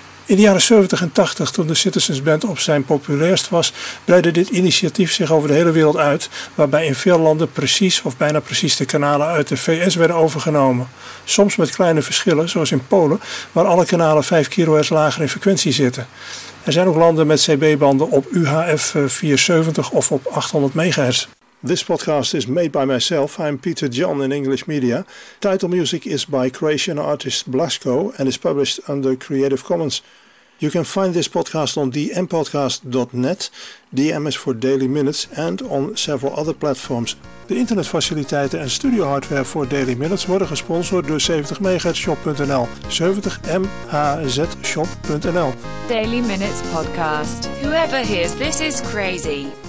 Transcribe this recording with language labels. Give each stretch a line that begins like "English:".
Dutch: In de jaren 70 en 80, toen de Citizens Band op zijn populairst was, breidde dit initiatief zich over de hele wereld uit, waarbij in veel landen precies of bijna precies de kanalen uit de VS werden overgenomen. Soms met kleine verschillen, zoals in Polen, waar alle kanalen 5 kHz lager in frequentie zitten. Er zijn ook landen met CB-banden op UHF 470 of op 800 MHz.
English: This podcast is made by myself. I'm Peter John in English Media. Title music is by Croatian artist Blasko and is published under Creative Commons. You can find this podcast on dmpodcast.net. DM is for Daily Minutes and on several other platforms.
Dutch: De internetfaciliteiten en studio hardware voor Daily Minutes worden gesponsord door 70MHzShop.nl. 70MHzShop.nl. Daily Minutes Podcast.
English: Whoever hears this is crazy.